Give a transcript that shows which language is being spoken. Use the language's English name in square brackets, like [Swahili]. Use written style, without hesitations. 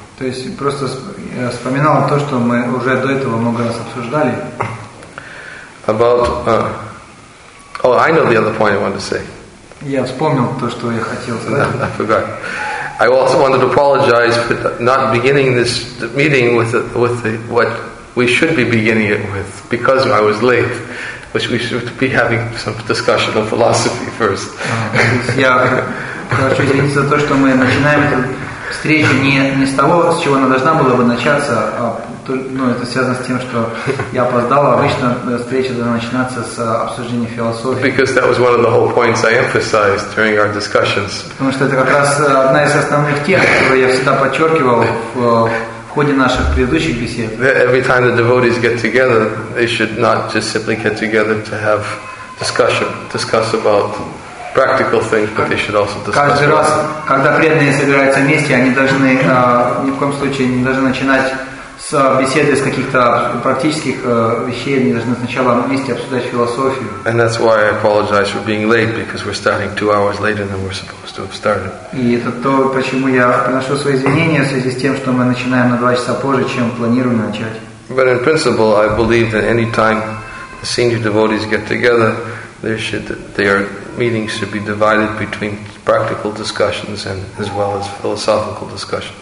[Russian] То есть просто вспоминал то, что мы уже до этого много раз обсуждали. [English] About I know the other point I wanted to say. [Russian] Я вспомнил то, что я хотел сказать. [English] I forgot. I also wanted to apologize for not beginning this meeting with what we should be beginning it with, because I was late. Which we should be having some discussion of philosophy first. [Russian] Я хочу извиниться за то, что мы начинаем эту встречу не с того, с чего она должна была бы начаться, а это связано с тем, что я опоздал. Обычно встреча должна начинаться с обсуждения философии. [English] Because that was one of the whole points I emphasized during our discussions. [Russian] Потому что это как раз одна из основных тем, которую я всегда подчеркивал в ходе наших предыдущих бесед. [English] Every time the devotees get together, they should not just simply get together to have discuss about practical things, but they should also discuss. [Russian] Каждый раз, когда преданные собираются вместе, они должны ни в коем случае не должны начинать с беседы с каких-то практических вещей, они должны сначала вместе обсуждать философию. [English] And that's why I apologize for being late, because we're starting 2 hours later than we're supposed. [Russian] И это то, почему я приношу свои извинения в связи с тем, что мы начинаем на 2 часа позже, чем планируем начать. [English] But in principle, I believe that any time the senior devotees get together, their meetings should be divided between practical discussions and as well as philosophical discussions.